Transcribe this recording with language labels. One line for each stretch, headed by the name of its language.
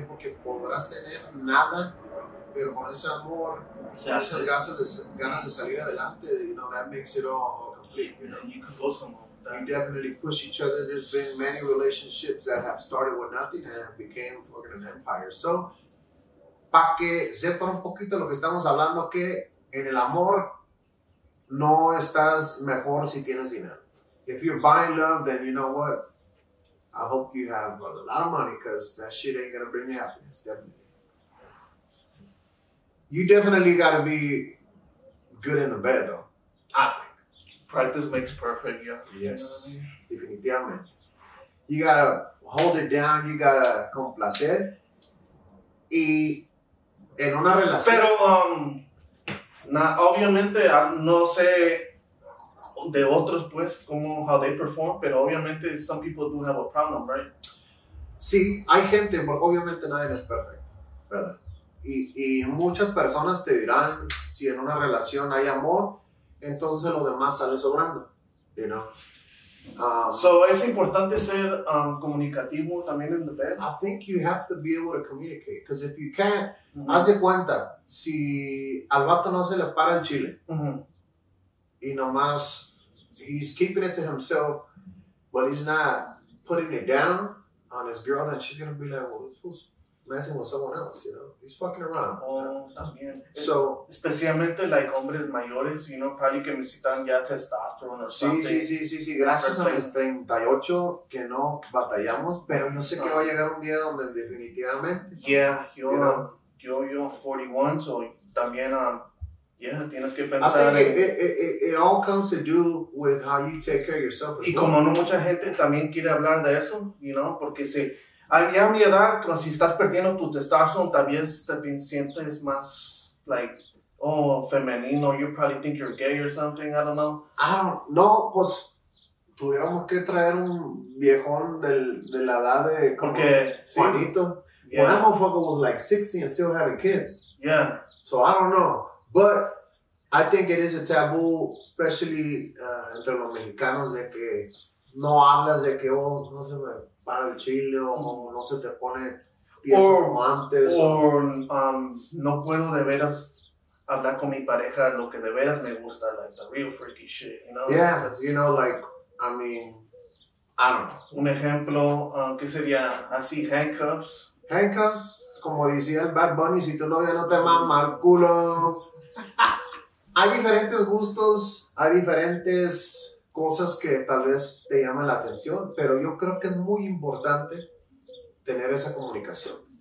Spanish: Porque podrás tener nada, pero con ese amor, esas ganas de salir adelante,
English: you know, that makes it all complete. You could go somewhere. You definitely push each other. There's been many relationships that have started with nothing and became an empire. So,
Spanish: para que sepa un poquito lo que estamos hablando, que en el amor, no estás mejor si tienes dinero.
English: If you're buying love, then you know what? I hope you have a lot of money, because that shit ain't gonna bring you happiness, definitely. You definitely gotta be good in the bed, though. I think. Practice makes perfect, yeah.
Spanish: Yes, definitivamente.
English: You gotta hold it down, you gotta
Spanish: complacer. Y en una relación... Pero, obviamente, no sé de otros, pues, como
English: how they perform,
Spanish: pero obviamente
English: some people do have a problem, right?
Spanish: Sí, hay gente, porque obviamente nadie es perfecto, ¿verdad? Y muchas personas te dirán, si en una relación hay amor, entonces lo demás sale sobrando,
English: you know? So,
Spanish: ¿es importante ser comunicativo también en
English: the bed? I think you have to be able to communicate, because if you can't, mm-hmm.
Spanish: haz de cuenta, si al vato no se le para el chile, mm-hmm. y nomás,
English: he's keeping it to himself, but he's not putting it down on his girl, then she's going to be like, well, this was messing with someone else, you know. He's fucking around. Oh,
Spanish: también.
English: So,
Spanish: especialmente,
English: like,
Spanish: hombres mayores,
English: you know, probably
Spanish: que necesitan ya
English: testosterone or something.
Spanish: Sí. Gracias a mis 38 que no batallamos, pero yo sé que va a llegar un día donde definitivamente...
English: Yeah,
Spanish: yo 41,
English: so
Spanish: también, tienes que pensar...
English: It all comes to do with how you take care of yourself.
Spanish: Y como no mucha gente también quiere hablar de eso,
English: you know,
Spanish: porque si... Ya a mi edad, si estás perdiendo tu testosterone, tal vez te sientes más,
English: like,
Spanish: femenino.
English: You probably think you're gay or something, I don't know.
Spanish: Pues, tuviéramos que traer un viejón de la edad de como porque, Juanito. Sí.
English: Yeah. When I'm a fucker was like 60 and still having kids. Yeah. So, I don't know. But, I think it is a taboo, especially
Spanish: entre los mexicanos, de que no hablas de que, no sé, me... para el chile o no se te pone diez no puedo de veras hablar con mi pareja lo que de veras me gusta,
English: like the real freaky shit, you know? Yeah, that's, you know, like, I mean, I don't know.
Spanish: Un ejemplo, ¿qué sería? Así, handcuffs. Handcuffs, como decía el Bad Bunny, si tu novia no te mama el culo. Hay diferentes gustos, hay diferentes... cosas que tal vez te llaman la atención, pero yo creo que es muy importante tener esa comunicación.